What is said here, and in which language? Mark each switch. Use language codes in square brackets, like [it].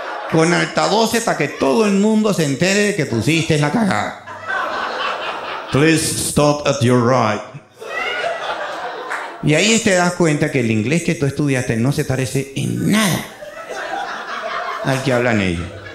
[es] Con altavoces para que todo el mundo se entere de que pusiste la cagada. [en] Please stop at your right. [es] Y ahí te das cuenta que el inglés que tú estudiaste no se parece en nada al que hablan ellos.